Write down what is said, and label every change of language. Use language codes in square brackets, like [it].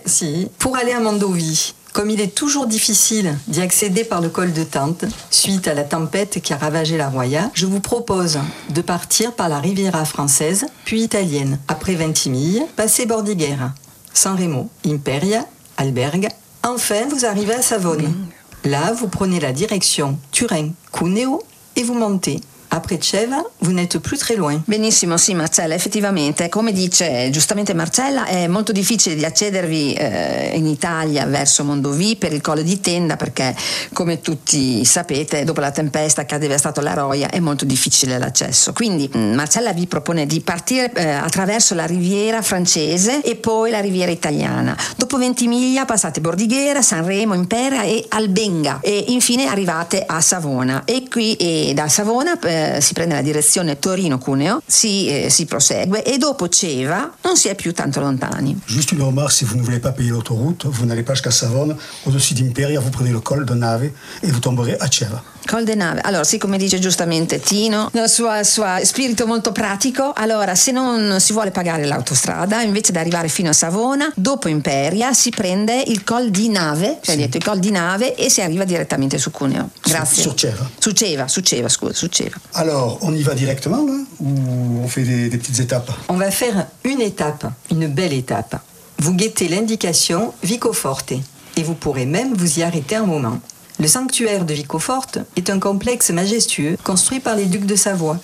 [it] Sì, [fr] pour aller à Mondovì, comme il est toujours difficile d'y accéder par le col de Tente, suite à la tempête qui a ravagé la Roya, je vous propose de partir par la Riviera française, puis italienne, après Ventimiglia, passer Bordighera, San Remo, Imperia, Alberg. Enfin, vous arrivez à Savone. Là, vous prenez la direction Turin-Cuneo et vous montez. Après Ceva, vous n'êtes plus très loin. [it] Benissimo, sì Marcella, effettivamente, come dice giustamente Marcella, è molto difficile di accedervi in Italia verso Mondovì per il Colle di Tenda, perché come tutti sapete, dopo la tempesta che ha devastato la Roya, è molto difficile l'accesso. Quindi Marcella vi propone di partire attraverso la Riviera francese e poi la Riviera italiana. Dopo Ventimiglia passate Bordighera, Sanremo, Impera e Albenga e infine arrivate a Savona. E qui e da Savona si prende la direzione Torino-Cuneo, si prosegue e dopo Ceva non si è più tanto lontani. Giusto una [fr] remarque, se vous ne voulez pas payer l'autoroute, vous n'allez pas jusqu'à Savone, au-dessus d'Imperia vous prenez le col de nave [it] e vous tomberez a Ceva. Col de nave, allora sì, come dice giustamente Tino, nel suo spirito molto pratico, allora se non si vuole pagare l'autostrada, invece di arrivare fino a Savona, dopo Imperia si prende il col di nave, cioè sì. Detto il col di nave e si arriva direttamente su Cuneo. Grazie. Su Ceva. [fr] Alors, on y va directement là, ou on fait des petites étapes? On va faire une étape, une belle étape. Vous guettez l'indication Vicoforte et vous pourrez même vous y arrêter un moment. Le sanctuaire de Vicoforte est un complexe majestueux construit par les ducs de Savoie.